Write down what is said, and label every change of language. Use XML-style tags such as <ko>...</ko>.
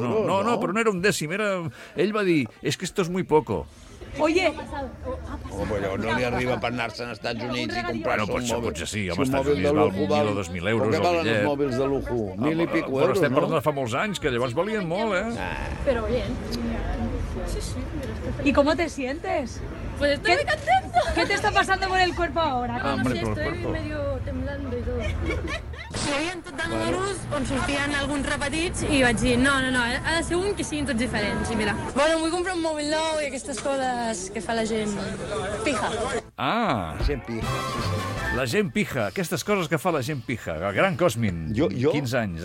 <ca>No, però no era un dècim. Era... Ell va dir, és que</ca> <es>esto es muy poco. Oye.</es> <ca>Bueno, no li arriba per anar-se'n als Estats Units i comprar-se un mòbil. Potser sí, home, als Estats Units val 1.000 o 2.000 euros. Però què valen els mòbils de lujo? 1.000 i pico euros, no? Però estem parlant de fa molts anys, que llavors valien molt, eh?</ca> <es>Però oye, sí. ¿Y cómo te sientes? Pues estoy muy contento. ¿Qué te está pasando por el cuerpo ahora? No, hombre, no sé, estoy medio temblando y todo.</es> <ca>Hi havia tot de números on sortien alguns repetits i vaig dir, no, ha de ser un que siguin tots diferents. I mira, bueno, vull comprar un mòbil nou i aquestes coses que fa la gent pija. Ah. Gent pija. La gent pija, aquestes coses que fa la gent pija. El gran Cosmin, 15 anys.</ca>